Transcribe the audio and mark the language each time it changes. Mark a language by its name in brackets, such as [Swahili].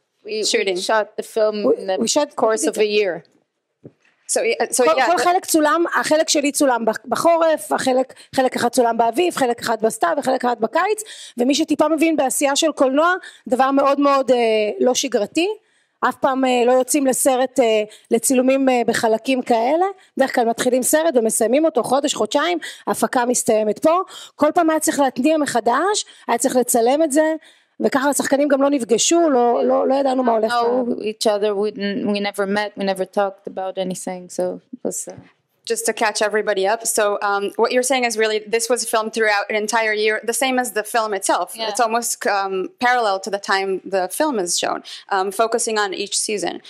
[English] We shot the film in the course of a year. So, [Hebrew] כל חלק צולם, החלק שלי צולם בחורף, החלק אחד צולם באביב, חלק אחד בסתיו, חלק אחד בקיץ, ומי שטיפה מבין בעשייה של קולנוע, דבר מאוד מאוד לא שגרתי, אף פעם לא יוצאים לסרט, לצילומים בחלקים כאלה, בדרך כלל מתחילים סרט ומסיימים אותו חודש, חודשיים, הפקה מסתיימת פה, כל פעם היה צריך להתניע מחדש, היה צריך לצלם את זה, וככה השחקנים גם לא נפגשו, לא ידענו מה הולך. [English] Each other, we never met, we never talked about anything, so it was... Just to catch everybody up, so what you're saying is really, this was filmed throughout an entire year, the same as the film itself. Yeah. It's almost parallel to the time the film is shown, focusing on each season.